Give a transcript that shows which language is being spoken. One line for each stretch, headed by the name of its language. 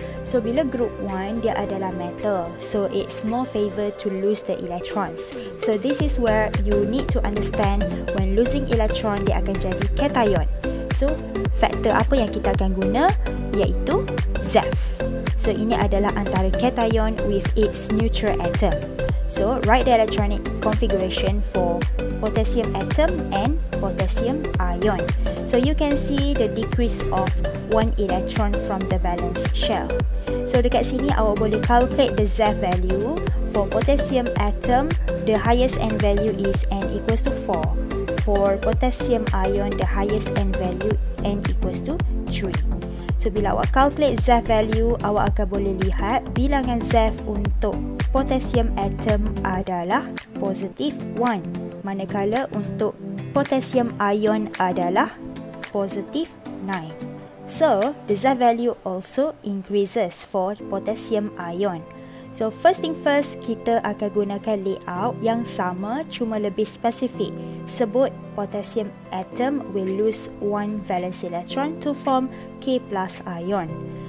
Malay: So bila group 1, dia adalah metal.
English: So it's more favored to lose the electrons. So this is where you need to understand when losing electron,
Malay: dia akan jadi cation. So, faktor apa yang kita akan guna iaitu ZEV. So, ini adalah antara cation
English: with its neutral atom. So, write the electronic configuration for potassium atom and potassium ion. So, you can see the decrease of one electron from the valence shell. So,
Malay: dekat sini awak boleh
English: calculate the ZEV value. For potassium atom, the highest N value is N equals to 4. For potassium ion, the highest N value N equals to 3.
Malay: So, bila awak calculate ZEV value, awak akan boleh lihat bilangan ZEV untuk potassium atom adalah positive 1. Manakala untuk potassium ion adalah positive 9.
English: So, the ZEV value also increases for potassium ion.
Malay: So,
English: first thing first,
Malay: kita akan gunakan layout yang sama cuma lebih spesifik.
English: Sebut potassium atom will lose one valence electron to form K plus ion.